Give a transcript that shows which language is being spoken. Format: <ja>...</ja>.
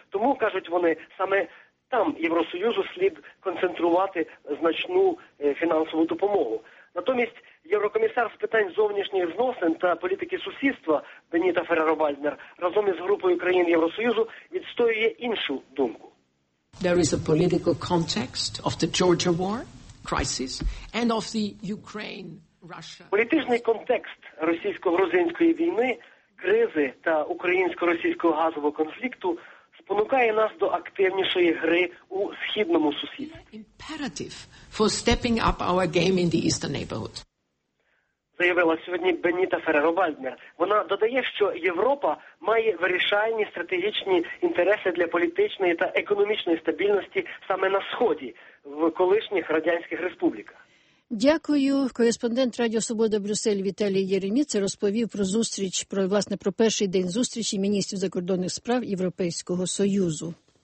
<uk>Тому, кажуть вони, саме там Євросоюзу слід концентрувати значну фінансову допомогу. Натомість єврокомісар з питань зовнішніх зносин та політики сусідства Беніта Ферреро-Вальднер разом із групою країн Євросоюзу відстоює іншу думку.</uk> <en>There is a political context of the Georgia war crisis and of the Ukraine-Russia.</en> <uk>Політичний контекст російсько-грузинської війни, кризи та українсько-російського газового конфлікту спонукає нас до активнішої гри у східному сусідстві.</uk> <en>Imperative for stepping up our game in the eastern neighborhood.</en> <uk>Заявила сьогодні Беніта Ферреро-Вальднер. Вона додає, що Європа має вирішальні стратегічні інтереси для політичної та економічної стабільності саме на Сході, в колишніх радянських республіках. Дякую. Кореспондент Радіо Свобода Брюссель Віталій Єреміця розповів про зустріч, про перший день зустрічі міністрів закордонних справ Європейського Союзу.</uk>